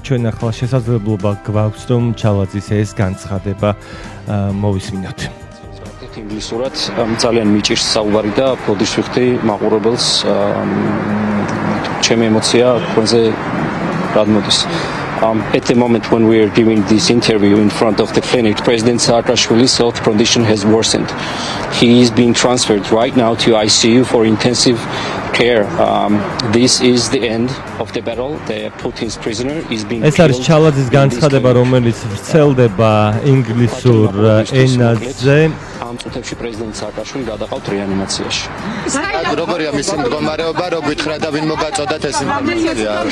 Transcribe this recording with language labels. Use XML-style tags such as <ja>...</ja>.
<ka>ჩვენ ახლა შესაძლებლობა გვაქვს, რომ ჩალაძის ეს განცხადება მოვისმინოთ. ინგლისურად ძალიან მიჭირს საუბარი და ბოდიშს ვიხდი მაყურებელს, ჩემი ემოცია ქვენზე რა მოდის.</ka> <en>At the moment when we are giving this interview in front of the clinic, President Saakashvili's health condition has worsened. He is being transferred right now to ICU for intensive care. This is the end of the battle. The Putin's prisoner is being killed.</en> <ka>ეს არის ჩალაძის განცხადება, რომელიც ვრცელდება ინგლისურ ენაზე. ამ წუთებში პრეზიდენტ სააკაშვილი გადაყავთ რეანიმაციაში. როგორია მის მდგომარეობა, როგ ვითხრა და ვინ მოგაწოდათ ეს ინფორმაცია?</ka>